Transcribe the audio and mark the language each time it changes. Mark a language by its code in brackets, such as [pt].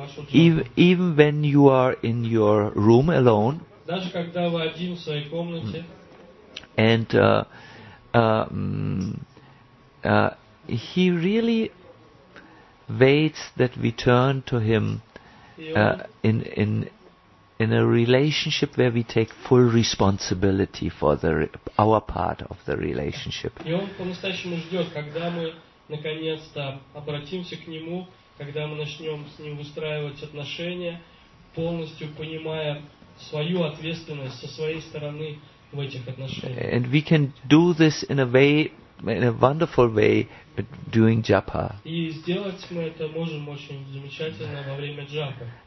[en] Even when you are in your room alone, [ru] даже когда вы один в своей комнате. [en] And he really waits that we turn to him in a relationship where we take full responsibility for our part of the relationship. [ru] И он по-настоящему ждет, когда мы наконец-то обратимся к нему, когда мы начнем с ним выстраивать отношения, полностью понимая свою ответственность со своей стороны в этих отношениях. [en] And we can do this in a way, in a wonderful way, doing japa. [ru] И сделать мы это можем очень замечательно во время джапы.